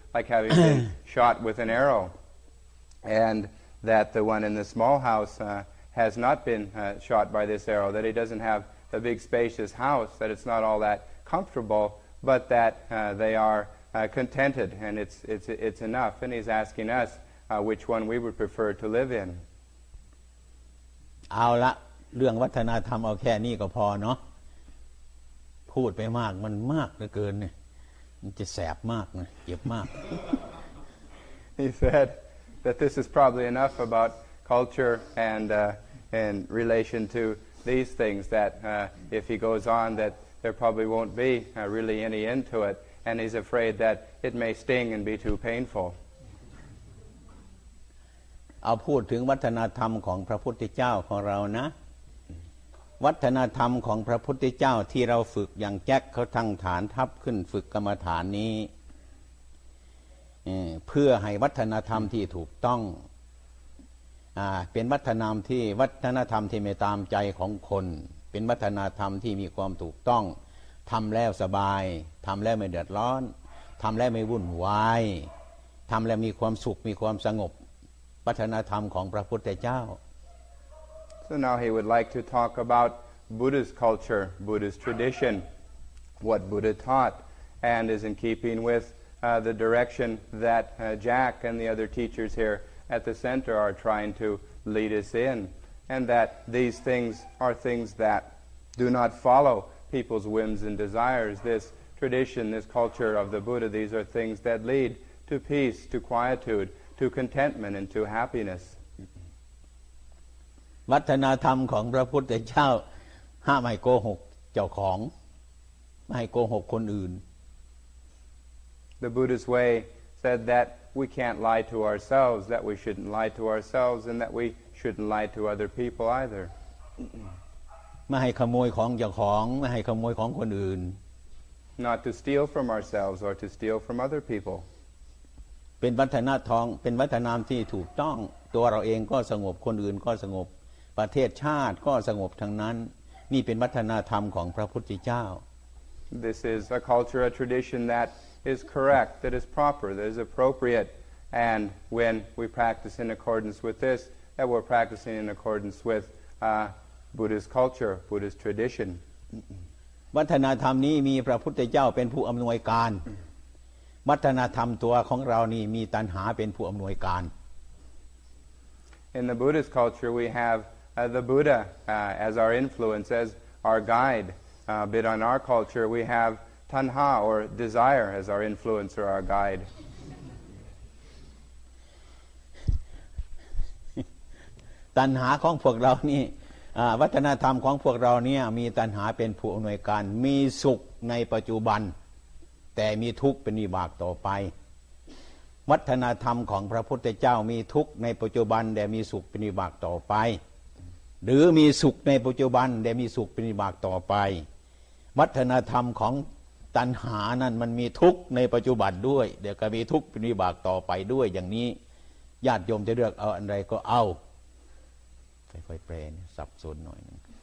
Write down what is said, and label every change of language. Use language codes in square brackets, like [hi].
[en] like having been shot with an arrow, and that the one in the small house has not been shot by this arrow, that he doesn't have a big spacious house, that it's not all that comfortable, but that they are contented, and it's enough. And he's asking us which one we would prefer to live in. [th] เอาละเรื่องวัฒนธรรมเอาแค่นี้ก็พอเนาะพูดไปมากมันมากเหลือเกินเนี่ยจะแสบมากนะเจ็บมาก [en] He said that this is probably enough about culture and in relation to these things that if he goes on that there probably won't be really any end to it and he's afraid that it may sting and be too painful [th] เอาพูดถึงวัฒนธรรมของพระพุทธเจ้าของเรานะวัฒนธรรมของพระพุทธเจ้าที่เราฝึกอย่างแจ็คเขาทั้งฐานทับขึ้นฝึกกรรมฐานนี้ เพื่อให้วัฒนธรรมที่ถูกต้องเป็นวัฒนธรรมที่วัฒนธรรมที่ไม่ตามใจของคนเป็นวัฒนธรรมที่มีความถูกต้องทำแล้วสบายทำแล้วไม่เดือดร้อนทำแล้วไม่วุ่นวายทำแล้วมีความสุขมีความสงบวัฒนธรรมของพระพุทธเจ้า [en] So now he would like to talk about Buddhist culture, Buddhist tradition, what Buddha taught, and is in keeping with the direction that Jack and the other teachers here at the center are trying to lead us in, and that these things are things that do not follow people's whims and desires. This tradition, this culture of the Buddha, these are things that lead to peace, to quietude, to contentment, and to happiness. [th] วัฒนธรรมของพระพุทธเจ้าห้ามให้โกหกเจ้าของไม่ให้โกหกคนอื่น [en] The Buddhist way said that we can't lie to ourselves, that we shouldn't lie to ourselves, and that we shouldn't lie to other people either. [th] ไม่ให้ขโมยของเจ้าของไม่ให้ขโมยของคนอื่น [en] Not to steal from ourselves or to steal from other people. [th] เป็นวัฒนธรรมเป็นวัฒนธรรมที่ถูกต้องตัวเราเองก็สงบคนอื่นก็สงบประเทศชาติก็สงบทั้งนั้นนี่เป็นวัฒนธรรมของพระพุทธเจ้า [en] This is a culture, a tradition that is correct, that is proper, that is appropriate. And when we practice in accordance with this, that we're practicing in accordance with Buddhist culture, Buddhist tradition. [th] วัฒนธรรมนี้มีพระพุทธเจ้าเป็นผู้อำนวยการวัฒนธรรมตัวของเรานี่มีตัณหาเป็นผู้อำนวยการ [en] In the Buddhist culture, we have the Buddha as our influence, as our guide. But in our culture, we have tanha or desire as our influence or our guide. [th] ตัณหาของพวกเรานี่วัฒนธรรมของพวกเราเนี่ยมีตัณหาเป็นผู้อำนวยการมีสุขในปัจจุบันแต่มีทุกข์เป็นวิบากต่อไป วัฒนธรรมของพระพุทธเจ้ามีทุกข์ในปัจจุบันแต่มีสุขเป็นวิบากต่อไปหรือมีสุขในปัจจุบันแต่มีสุขเป็นวิบากต่อไปวัฒนธรรมของตัณหานั่นมันมีทุกข์ในปัจจุบันด้วยเดี๋ยวก็มีทุกข์เป็นวิบากต่อไปด้วยอย่างนี้ญาติโยมจะเลือกเอาอันใดก็เอาค่อยๆแปลสับสนหน่อยนึง